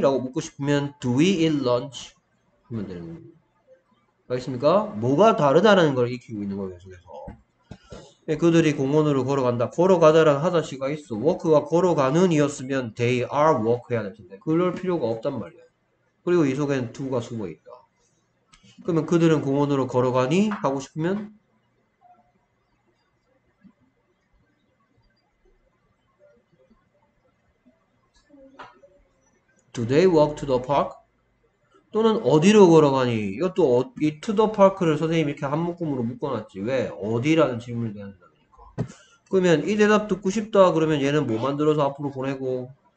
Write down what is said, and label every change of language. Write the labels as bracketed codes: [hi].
[ko] 라고 묻고 싶으면 [en] Do we eat lunch? [ko] 하면 되는 거예요. 알겠습니까? 뭐가 다르다는 걸 익히고 있는 거예요. 계속해서. 그들이 공원으로 걸어간다. 걸어가다라는 하다시가 있어. walk가 걸어가는 이었으면 [en] they are walk [ko] 해야 될 텐데. 그럴 필요가 없단 말이에요. 그리고 이 속엔 do가 숨어 있다. 그러면 그들은 공원으로 걸어가니? 하고 싶으면 [en] Do they walk to the park? [ko] 또는 어디로 걸어가니? 이것도 이 [en] to the park [ko] 를 선생님이 이렇게 한 묶음으로 묶어놨지. 왜? 어디라는 질문을 대한다니까. 그러면 이 대답 듣고 싶다. 그러면 얘는 뭐 만들어서 앞으로 보내고